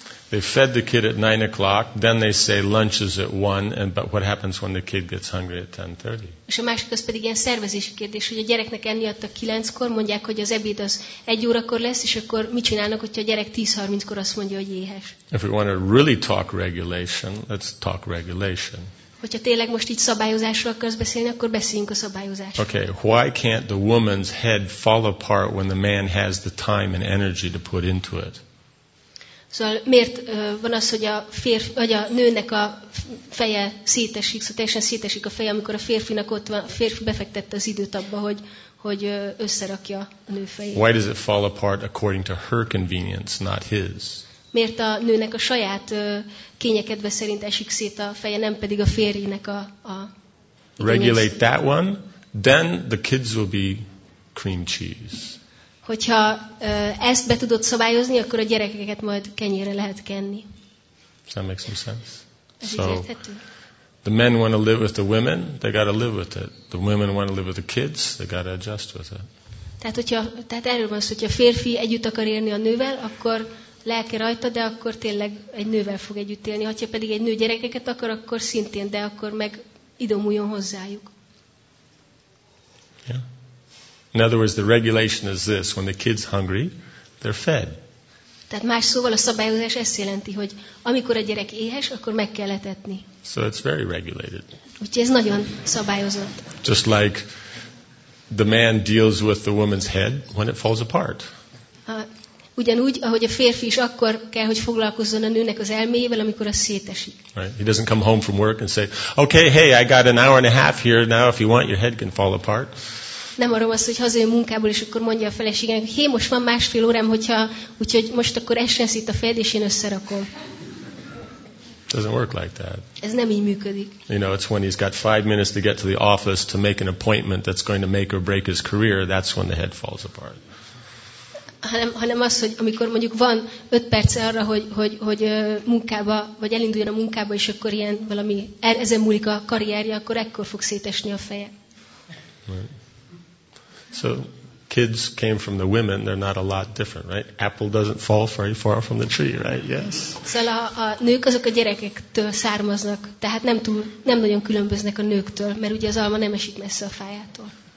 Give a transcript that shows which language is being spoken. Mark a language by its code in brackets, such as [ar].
[en] They fed the kid at 9 o'clock. Then they say lunch is at 1. And but what happens when the kid gets hungry at 10:30? [hu] És a másik az pedig ilyen szervezési kérdés, hogy a gyereknek enni adtak 9-kor, mondják, hogy az ebéd az 1 órakor lesz, és akkor mit csinálnak, hogyha a gyerek 10:30-kor azt mondja, hogy éhes? [en] If we want to really talk regulation, let's talk regulation. [hu] Hogyha tényleg most így szabályozásról akarsz beszélni, akkor beszéljünk a szabályozásról. [en] Okay, why can't the woman's head fall apart when the man has the time and energy to put into it? [hu] Szóval miért van az, hogy a nőnek a feje szétesik, szóval teljesen szétesik a feje, amikor a férfinak ott van, a férfi befektette az időt abba, hogy összerakja a nő fejét. [en] Why does it fall apart according to her convenience, not his? [hu] Miért a nőnek a saját kényekedve szerint esik szét a feje, nem pedig a férjének a [en] Regulate that one, then the kids will be cream cheese. [hu] Hogyha ezt be tudod szabályozni, akkor a gyerekeket majd kenyérre lehet kenni. [en] Does that make some sense? So, the men want to live with the women, they got to live with it. The women want to live with the kids, they got to adjust with it. [hu] Tehát erről van szó, hogyha a férfi együtt akar élni a nővel, akkor lelke rajta, de akkor tényleg egy nővel fog együtt élni. Ha pedig egy nő gyerekeket akar, akkor szintén, de akkor meg idomuljon hozzájuk. [en] Yeah. In other words, the regulation is this: when the kid's hungry, they're fed. [hu] Tehát más szóval a szabályozás ezt jelenti, hogy amikor a gyerek éhes, akkor meg kell etetni. [en] So it's very regulated. [hu] Úgyhogy ez nagyon szabályozott. [en] Just like the man deals with the woman's head when it falls apart. [hu] Ugyanúgy, ahogy a férfi is akkor kell, hogy foglalkozzon a nőnek az elméjével, amikor az szétesik. [en] Right. He doesn't come home from work and say, "Okay, hey, I got an hour and a half here now. If you want, your head can fall apart." [hu] Nem arról van szó, hogy hazajön munkából, és akkor mondja a feleségének, hogy hé, most van 1.5 órám, úgyhogy most akkor essen szét a fejed, és én összerakom. [en] Doesn't work like that. [hu] Ez nem így működik. [en] You know, it's when he's got 5 minutes to get to the office to make an appointment that's going to make or break his career, that's when the head falls apart. [hu] Hanem az, hogy amikor mondjuk van 5 perc arra, hogy munkába, vagy elinduljon a munkába, és akkor ilyen valami, ezen múlik a karrierje, akkor ekkor fog szétesni a feje. [en] Right. So kids came from the women, they're not a lot different, right? Apple doesn't fall very far from the tree, right? Yes. [hu] Szóval a nők azok a gyerekektől származnak, tehát nem nagyon különböznek a nőktől, mert ugye az alma nem esik messze a fájától.